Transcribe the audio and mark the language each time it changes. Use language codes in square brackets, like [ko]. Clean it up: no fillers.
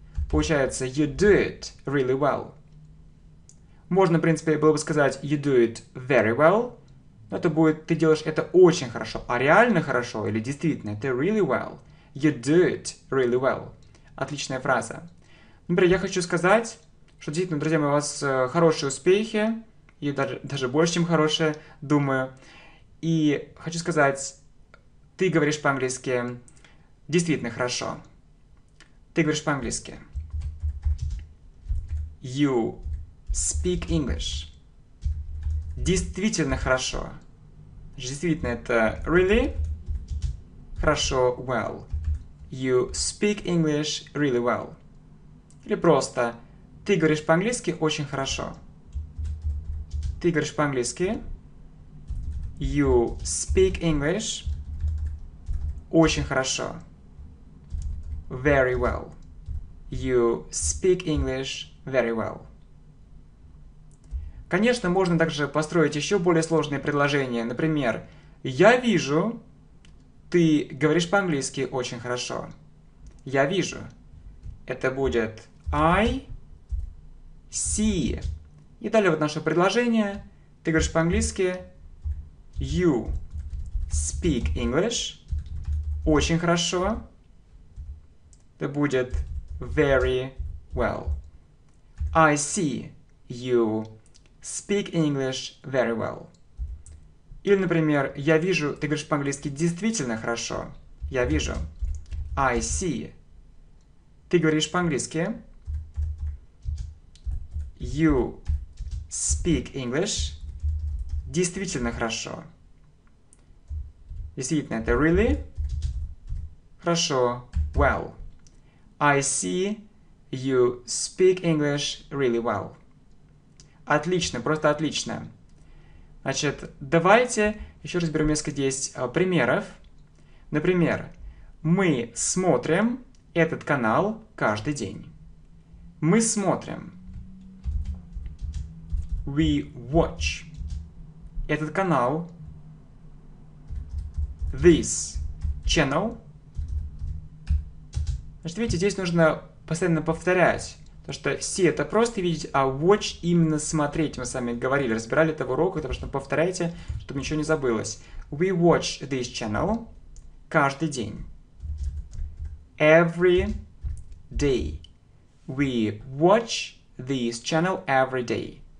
[ru] Получается, [en] you do it really well. [ru] Можно, в принципе, было бы сказать, [en] you do it very well. [ru] Но это будет, ты делаешь это очень хорошо. А реально хорошо или действительно, ты [en] really well. You do it really well. [ru] Отличная фраза. Например, я хочу сказать, что действительно, друзья мои, у вас хорошие успехи. И даже больше, чем хорошие, думаю. И хочу сказать, ты говоришь по-английски действительно хорошо. Ты говоришь по-английски. [en] You speak English. [ru] Действительно хорошо. Действительно, это really. Хорошо, well. [en] You speak English really well. [ru] Или просто, ты говоришь по-английски очень хорошо. Ты говоришь по-английски. [en] You speak English. [ru] Очень хорошо. [en] Very well. You speak English very well. [ru] Конечно, можно также построить еще более сложные предложения. Например, я вижу, ты говоришь по-английски очень хорошо. Я вижу. Это будет [en] I see. [ru] И далее вот наше предложение. Ты говоришь по-английски. [en] You speak English. [ru] Очень хорошо. Это будет [en] very well. I see you speak English very well. [ru] Или, например, я вижу, ты говоришь по-английски действительно хорошо. Я вижу. [en] I see. [ru] Ты говоришь по-английски. [en] You speak English [ru] действительно хорошо. Действительно, это really. Хорошо. Well. [en] I see you speak English really well. [ru] Отлично, просто отлично. Значит, давайте еще разберем несколько здесь примеров. Например, мы смотрим этот канал каждый день. Мы смотрим. [en] We watch [ru] этот канал. [en] This channel. [ru] Значит, видите, здесь нужно постоянно повторять. Потому что see это просто видеть, а watch именно смотреть. Мы с вами говорили, разбирали это в уроках, потому что повторяйте, чтобы ничего не забылось. [en] We watch this channel [ru] каждый день. [en] Every day. We watch this channel every day.